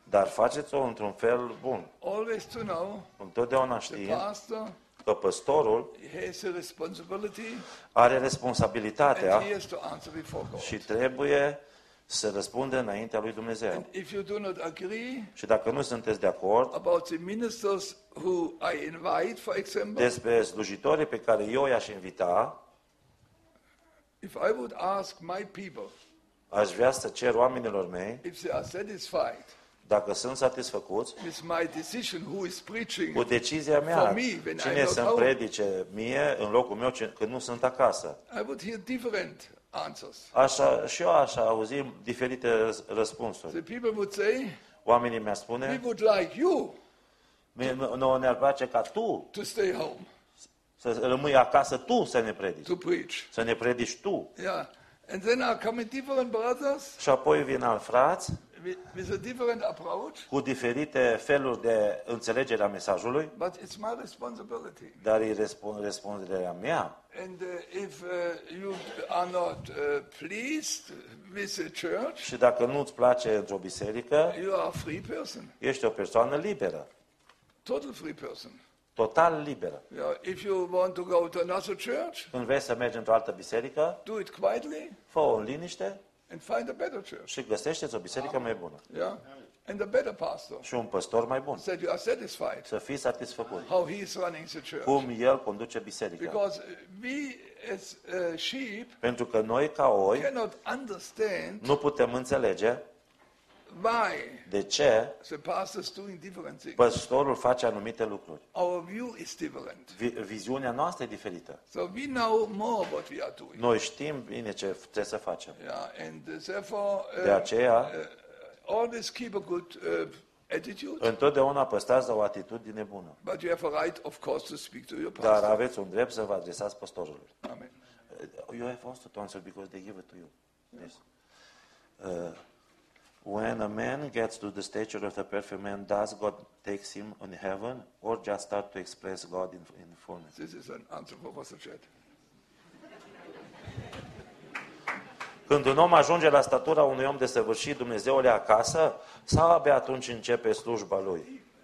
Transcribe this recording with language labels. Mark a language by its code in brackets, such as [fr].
[ro] Dar faceți-o într-un fel bun. [en] Always to know. [ro] Întotdeauna știind [en] pastor, [ro] că pastorul [en] has a responsibility. [ro] Are responsabilitatea. [en] And he has to answer before God. [ro] Și trebuie să răspundă înaintea lui Dumnezeu. [en] And if you do not agree. [ro] Și dacă nu sunteți de acord. [en] About the ministers who I invite, for example. [ro] Despre slujitorii pe care eu i-aș invita. [en] If I would ask my people. [ro] Aș vrea să cer oamenilor mei, [en] if they are satisfied, [ro] Dacă sunt satisfăcuți, [en] it's my decision who is preaching. [ro] Cu decizia mea, cine să predice mie în locul meu când nu sunt acasă. [en] I would hear different answers. [ro] Așa și eu așa auzim diferite răspunsuri. [en] The people would say, [ro] oamenii mi-ar spune, [en] we would like you. [ro] Nouă ne-ar place ca tu [en] to stay home. [ro] Să rămâi acasă tu să ne predici. [en] To preach. [ro] Să ne predici tu. [en] Yeah. And then are coming different brothers. [ro] Și apoi vin alt frați. [en] With a different approach. [ro] Cu diferite feluri de înțelegere a mesajului. [en] But it's my responsibility. [ro] Dar e responsabilitatea mea. [en] And if you are not pleased with the church. [ro] Și dacă nu îți place într-o biserică. [en] You are a free person. [ro] Ești o persoană liberă. [en] Total free person. [ro] Total liberă. [en] Yeah, if you want to go to another church. [ro] Când vrei să mergi într-o altă biserică. [en] Do it quietly. [ro] Fă-o în liniște. [en] And find a better church. [ro] Și găsește-ți o biserică mai bună. [en] Yeah. And a better pastor. [ro] Și un pastor mai bun. [en] Said you are satisfied. [ro] Să fii satisfăcut. [en] How he is running the church. [ro] Cum el conduce biserica. [en] Because we as sheep. [ro] Pentru că noi ca oi. [en] Cannot understand. [ro] Nu putem înțelege. [en] Why? [ro] De ce? [en] The pastor is doing different things. [ro] Pastorul face anumite lucruri. [en] Our view is different. [ro] Viziunea noastră e diferită. [en] So we know more what we are doing. [ro] Noi știm bine ce trebuie să facem. [en] Yeah, and therefore. [ro] De aceea. [en] Always keep a good attitude. [ro] Întotdeauna păstrați o atitudine bună. [en] But you have a right, of course, to speak to your pastor. [ro] Dar aveți un drept să vă adresați pastorului. [en] Amen. You have also to answer because they give it to you. Yes. When a man gets to the stature of the perfect man, does God take him in heaven or just start to express God in fullness? This is an answer for Pastor Chad. [ro] Când un om ajunge la statura unui om desăvârșit, Dumnezeule acasă, sau abia atunci începe slujba lui?